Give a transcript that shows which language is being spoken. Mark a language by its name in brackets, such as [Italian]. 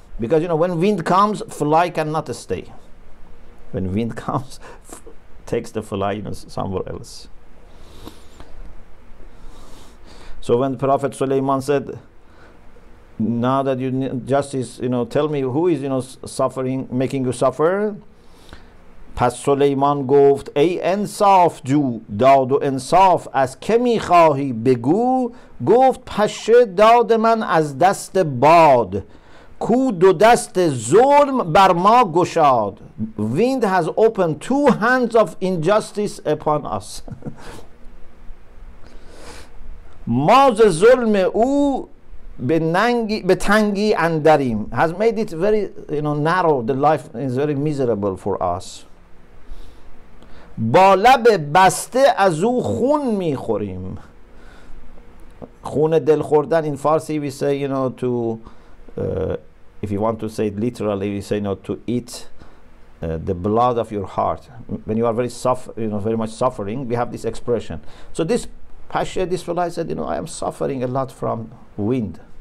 [English] Because, you know, when wind comes, fly cannot stay. When wind comes, takes the fly, you know, somewhere else. So when Prophet Sulaiman said, now that you need justice, you know, tell me who is, you know, suffering, making you suffer. [Persian] پس سلیمان گفت ای انصاف جو داد و انصاف از که می خواهی بگو. گفت پشه داد من از دست باد کو دو دست ظلم بر ما گشاد. [English] Wind has opened two hands of injustice upon us. [Persian] ما ز ظلم او به تنگی اندریم. [English] Has made it very, you know, narrow. The life is very miserable for us. [Persian] با لب بسته از او خون میخوریم. خون دل خوردن [English] in Farsi we say, you know, to if you want to say it literally, we say, you know, to eat the blood of your heart. When you are very you know, very much suffering, we have this expression. So this Pasha, this fellow said, you know, I am suffering a lot from wind.